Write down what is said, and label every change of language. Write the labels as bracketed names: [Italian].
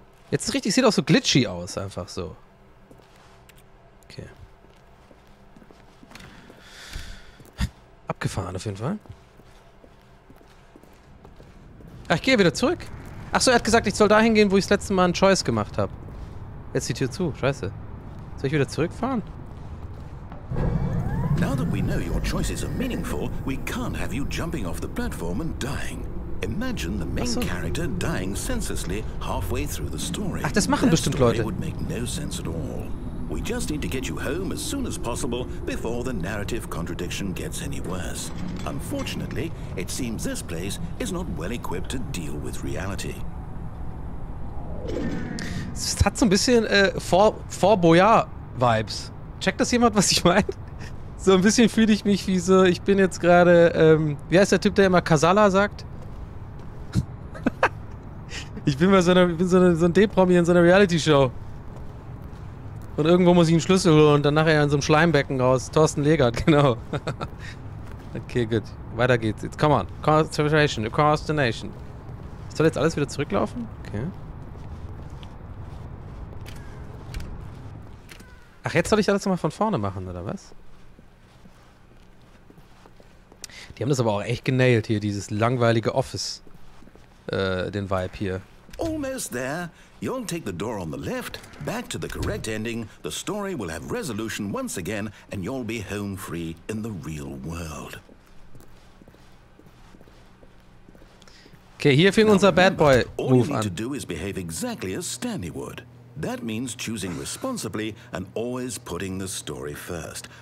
[German] Jetzt ist richtig, sieht auch so glitchy aus, einfach so. Okay. Abgefahren auf jeden Fall. Ach, ich gehe wieder zurück. Achso, er hat gesagt, ich soll dahin gehen, wo ich das letzte Mal einen Choice gemacht habe. Jetzt die Tür zu, scheiße. Soll ich wieder zurückfahren? [English] Now that we know your choices are meaningful, we can't have you jumping off the platform and dying. Imagine the main character dying senselessly halfway through the story. [German] Ach, das machen bestimmt Leute. [English] That would make no sense at all. We just need to get you home as soon as possible before the narrative contradiction gets any worse. Unfortunately, it seems this place is not well equipped to deal with reality. [German] Es hat so ein bisschen Fort Boyard-Vibes. Checkt das jemand, was ich meine? So ein bisschen fühle ich mich wie so, ich bin jetzt gerade, wie heißt der Typ, der immer Casala sagt? Ich bin mal so, ein D-Promi in so einer Reality-Show. Und irgendwo muss ich einen Schlüssel holen und dann nachher in so einem Schleimbecken raus. Thorsten Legert, genau. Okay, gut. Weiter geht's jetzt. [English] Come on. Concentration. Across the nation. [German] Soll jetzt alles wieder zurücklaufen? Okay. Ach, jetzt soll ich alles nochmal von vorne machen, oder was? Die haben das aber auch echt genailed hier, dieses langweilige Office. Den Vibe hier. [English] Almost there. You'll take the door on the left, back to the correct ending, the story will have resolution once again, and you'll be home free in the real world. [German] Okay, hier fing unser Bad Boy Move an. [English] All you need to do is behave exactly as Stanley would. That means choosing responsibly and always putting the story first.